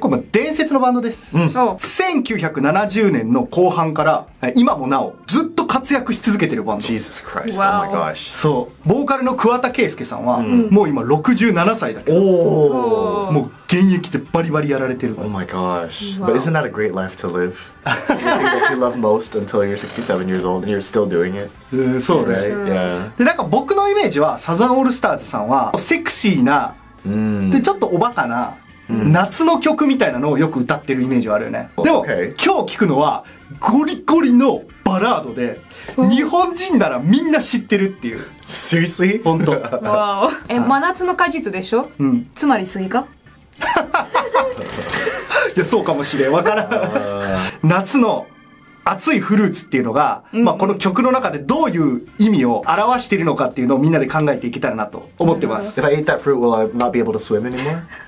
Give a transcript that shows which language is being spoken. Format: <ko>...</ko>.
<ja>これも伝説のバンドです。1970年の後半から今もなおずっと活躍し続けてるバンド。</ja> <en>Jesus Christ, oh my gosh.</en> <ja>そう、ボーカルの桑田佳祐さんは、もう今67歳だけど、もう現役でバリバリやられてる。</ja> <en>Oh my gosh. But isn't that a great life to live? You're doing what you love most until you're 67 years old and you're still doing it.</en> <ja>そうだね。</ja> <en>Yeah.</en> <ja>で、なんか僕のイメージはサザンオールスターズさんはセクシーな、で、ちょっとおバカな、夏の曲みたいなのをよく歌ってるイメージはあるよね。でも、</ja> <en>okay.</en> <ja>今日聞くのはゴリゴリのバラードで、日本人ならみんな知ってるっていう。</ja> <en>Seriously?</en> <ja>本当。わお。え、真夏の果実でしょ。うん。つまりスイカ。いや、そうかもしれん。わからん。夏の熱いフルーツっていうのが、うん、まあ、この曲の中でどういう意味を表しているのかっていうのをみんなで考えていけたらなと思ってます。</ja> <en>If I ate that fruit, will I not be able to swim anymore?</en>